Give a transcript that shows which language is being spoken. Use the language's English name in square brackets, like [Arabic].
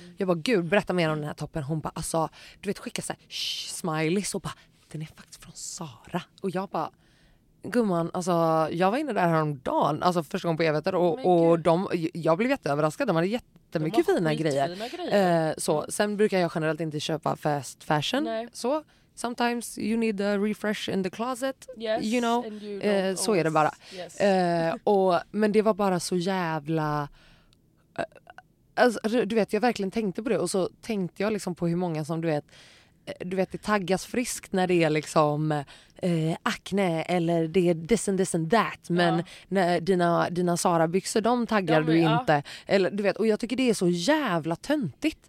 [Swedish] Jag bara, gud, berätta mer om den här toppen. Hon bara, alltså, du vet, skicka så här, smiley, så bara, den är faktiskt från Zara. Och jag bara, gumman, alltså jag var inne där häromdagen, alltså första gången på evigheter, och de, jag blev jätteöverraskad, de hade jättemycket fina grejer. Så sen brukar jag generellt inte köpa fast fashion. Nej. [English] Så sometimes you need a refresh in the closet, yes, you know, [Swedish] så är det bara. [English] Yes. [Swedish] Och men det var bara så jävla, alltså, du vet, jag verkligen tänkte på det, och så tänkte jag liksom på hur många som du vet det taggas friskt när det är liksom akne eller det är [English] this and that, [Swedish] men när dina Zara byxor de taggar du inte, eller du vet, och jag tycker det är så jävla töntigt.